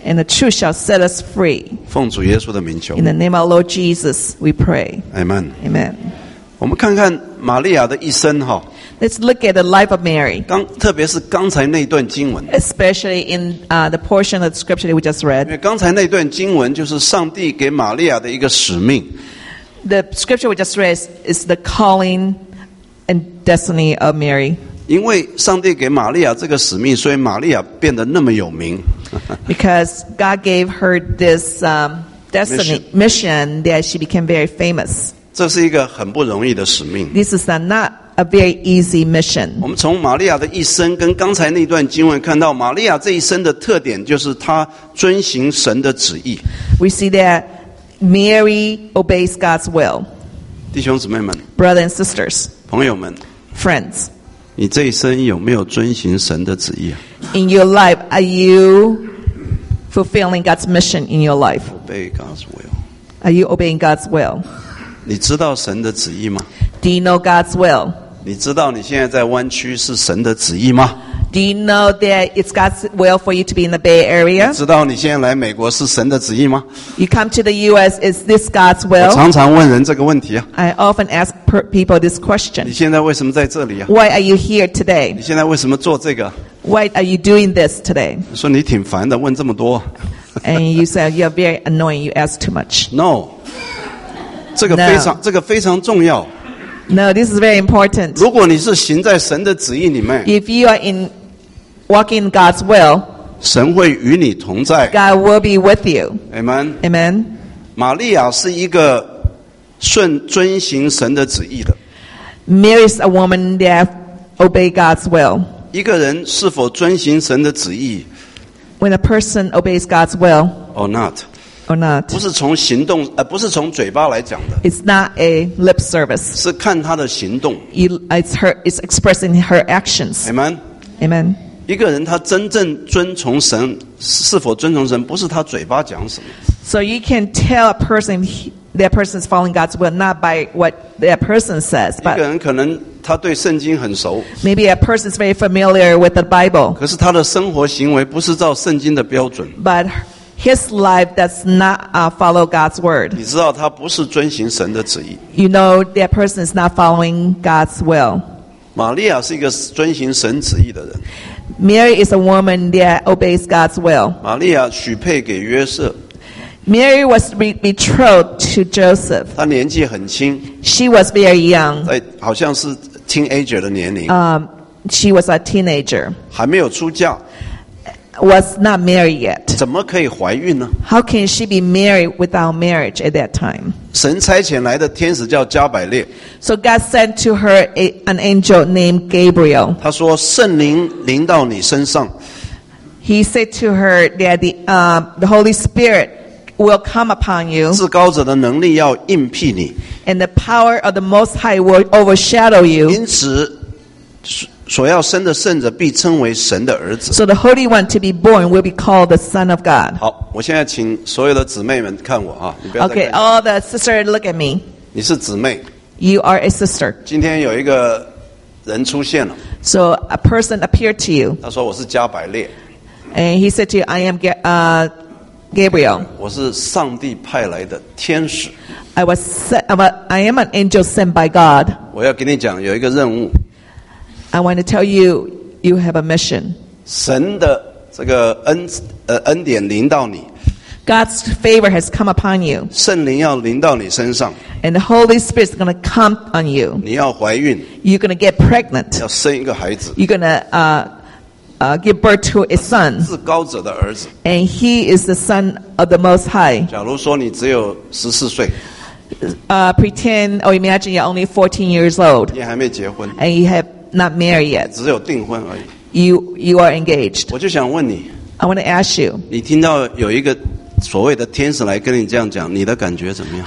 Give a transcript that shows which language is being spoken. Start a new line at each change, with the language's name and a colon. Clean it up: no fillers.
English: And the truth shall set us free.
Chinese: 奉主耶稣的名求。
English: In the name of Lord Jesus, we pray. Amen. Amen.
Chinese: 我们看看。玛利亚的一生哈
English: ，Let's look at the life of Mary.
Chinese: 特别是刚才那段经文
English: ，Especially in the portion of the scripture that we just read.
Chinese: 因为刚才那段经文就是上帝给玛利亚的一个使命。
English: The scripture we just read is the calling and destiny of Mary.
Chinese: 因为上帝给玛利亚这个使命，所以玛利亚变得那么有名。
English: Because God gave her this destiny mission that she became very famous.
Chinese: 这是一个很不容易的使命。
English: This is not a very easy mission.
Chinese: 我们从玛利亚的一生跟刚才那段经文看到，玛利亚这一生的特点就是她遵行神的旨意。
English: We see that Mary obeys God's will.
Chinese: 弟兄姊妹们
English: ，Brothers and sisters，
Chinese: 朋友们
English: ，Friends，
Chinese: 你这一生有没有遵行神的旨意
English: ？In your life, are you fulfilling God's mission in your life? Obey God's will. Are you obeying God's will?
Chinese: 你知道神的旨意吗
English: ？Do you know God's will？
Chinese: 你知道你现在在湾区是神的旨意吗
English: ？Do you know that it's God's will for you to be in the Bay Area？
Chinese: 你知道你现在来美国是神的旨意吗
English: ？You come to the U.S. Is this God's will？
Chinese: 我常常问人这个问题啊。
English: I often ask people this question。
Chinese: 你现在为什么在这里啊
English: ？Why are you here today？
Chinese: 你现在为什么做这个
English: ？Why are you doing this today？
Chinese: 说你挺烦的，问这么多。
English: And you said you're very annoying. You ask too much. No.
Chinese: 这个非常
English: no.
Chinese: 这个非常重要。
English: No, this is very important.
Chinese: 如果你是行在神的旨意里面
English: ，If you are in walking God's will，
Chinese: 神会与你同在。
English: God will be with you. Amen. Amen.
Chinese: 玛利亚是一个顺遵行神的旨意的。
English: Mary is a woman that obey God's will.
Chinese: 一个人是否遵行神的旨意
English: ？When a person obeys God's will, or not. Or not.
Chinese: 不是从行动，不是从嘴巴来讲的。
English: It's not a lip service.
Chinese: 是看他的行动。
English: It's expressing her actions. Amen. Amen.
Chinese: 一个人他真正遵从神，是否遵从神，不是他嘴巴讲什么。
English: So you can tell a person that person is following God's will, not by what that person says. But
Chinese: 一个人可能他对圣经很熟。
English: Maybe a person is very familiar with the Bible.
Chinese: 可是他的生活行为不是照圣经的标准。
English: But his life does not follow God's word.
Chinese: 你知道他不是遵行神的旨意。
English: You know that person is not following God's will.
Chinese: 玛利亚是一个遵行神旨意的人。
English: Mary is a woman that obeys God's will.
Chinese: 玛利亚许配给约瑟。
English: Mary was betrothed to Joseph.
Chinese: 她年纪很轻。
English: She was very young.
Chinese: 好像是 teenager 的年龄。
English: She was a teenager.
Chinese: 还没有出嫁。
English: Was not married yet.
Chinese: 怎么可以怀孕呢？
English: How can she be married without marriage at that time?
Chinese: 神差遣来的天使叫加百列。
English: So God sent to her an angel named Gabriel.
Chinese: 他说圣灵临到你身上。
English: He said to her that the Holy Spirit will come upon you.
Chinese: 至高者的能力要应聘你。
English: And the power of the Most High will overshadow you.
Chinese: 因此所要生的圣者必称为神的儿子。
English: So the Holy One to be born will be called the Son of God.
Chinese: 好，我现在请所有的姊妹们看我啊，你不要。
English: Okay, all the sisters, look at me.
Chinese: 你是姊妹。
English: You are a sister.
Chinese: 今天有一个人出现了。
English: So a person appeared to you.
Chinese: 他说我是加百列。
English: And he said to you, I am Gabriel.
Chinese: 我是上帝派来的天使。
English: I am an angel sent by God.
Chinese: 我要跟你讲，有一个任务。
English: I want to tell you, you have a mission.
Chinese: 神的这个恩典临到你。
English: God's favor has come upon you.
Chinese: 圣灵要临到你身上。
English: And the Holy Spirit is going to come on you.
Chinese: 你要怀孕。
English: You're going to get pregnant.
Chinese: 要生一个孩子。
English: You're going to give birth to a son.
Chinese: 至高者的儿子。
English: And he is the son of the Most High.
Chinese: 假如说你只有14岁。
English: Pretend or imagine you're only 14 years old.
Chinese: 你还没结婚。
English: And you have not married yet.
Chinese: 只有订婚而已。
English: You are engaged.
Chinese: 我就想问你。
English: I want to ask you.
Chinese: 你听到有一个所谓的天使来跟你这样讲，你的感觉怎么样？